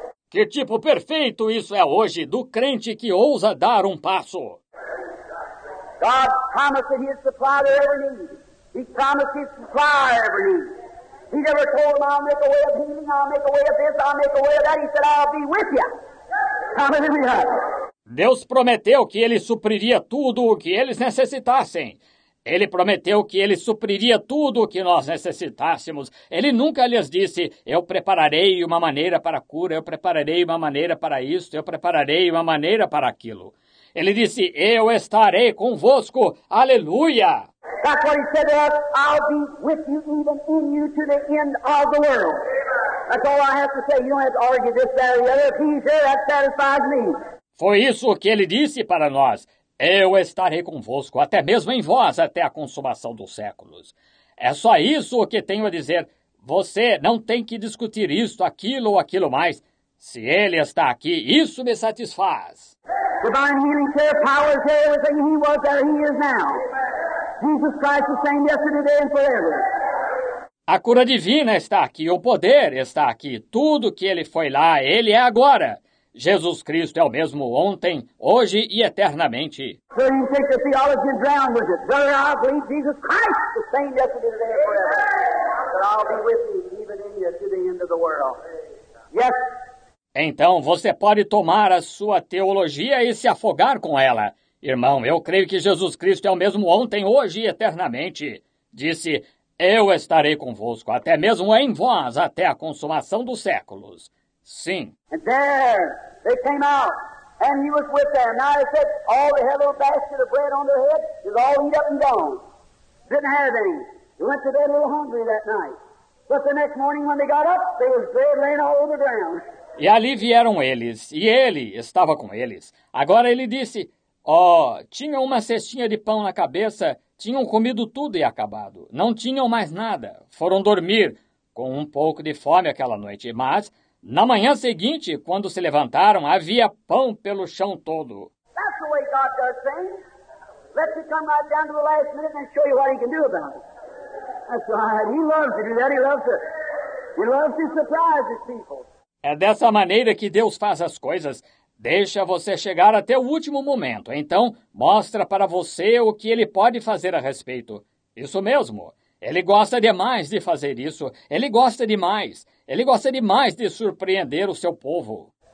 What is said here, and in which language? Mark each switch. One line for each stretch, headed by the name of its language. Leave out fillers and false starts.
Portuguese: Que tipo perfeito isso é hoje do crente que ousa dar um passo.
English: God promised that he'd supply to every need. He promised he'd supply every need. He never told them, I'll make a way of healing, I'll make a way of this, I'll make a way of that. He said, I'll be with you. Hallelujah!
Portuguese: Deus prometeu que ele supriria tudo o que eles necessitassem. Ele prometeu que ele supriria tudo o que nós necessitássemos. Ele nunca lhes disse, eu prepararei uma maneira para a cura, eu prepararei uma maneira para isso, eu prepararei uma maneira para aquilo. Ele disse, eu estarei convosco, aleluia!
English: That's what he said to us, I'll be with you, even in you, to the end of the world. That's all I have to say, you don't have to argue this, that, or the other. If he's here, that satisfies me.
Portuguese: Foi isso que ele disse para nós. Eu estarei convosco, até mesmo em vós, até a consumação dos séculos. É só isso o que tenho a dizer. Você não tem que discutir isto, aquilo ou aquilo mais. Se ele está aqui, isso me satisfaz.
English: Divine healing care, power is there, everything he was there, he is now. Jesus Christ the same yesterday, today and forever.
Portuguese: A cura divina está aqui, o poder está aqui, tudo que ele foi lá, ele é agora. Jesus Cristo é o mesmo ontem, hoje e eternamente.
English: Sir, you take the theology and drown with it. Brother, I believe Jesus Christ the same yesterday, today and forever. But I'll be with you, even in you, to the end of the world. Yes.
Portuguese: Então, você pode tomar a sua teologia e se afogar com ela. Irmão, eu creio que Jesus Cristo é o mesmo ontem, hoje e eternamente. Disse, eu estarei convosco, até mesmo em vós, até a consumação dos séculos. Sim.
English: And there, they came out, and he was with them. Now, they said, all they had a little basket of bread on their head, is all eaten up and gone. Didn't have any. They went to bed a little hungry that night. But the next morning, when they got up, there was bread laying all over the ground.
Portuguese: E ali vieram eles, e ele estava com eles. Agora ele disse, tinham uma cestinha de pão na cabeça, tinham comido tudo e acabado. Não tinham mais nada, foram dormir, com um pouco de fome aquela noite. Mas, na manhã seguinte, quando se levantaram, havia pão pelo chão todo.
English: That's the way God does things. Let you come right down to the last minute and show you what he can do about it. That's right, he loves to do that, he loves to surprise his people.
Portuguese: É dessa maneira que Deus faz as coisas. Deixa você chegar até o último momento. Então, mostra para você o que ele pode fazer a respeito. Isso mesmo. Ele gosta demais de fazer isso. Ele gosta demais. Ele gosta demais de surpreender o seu povo.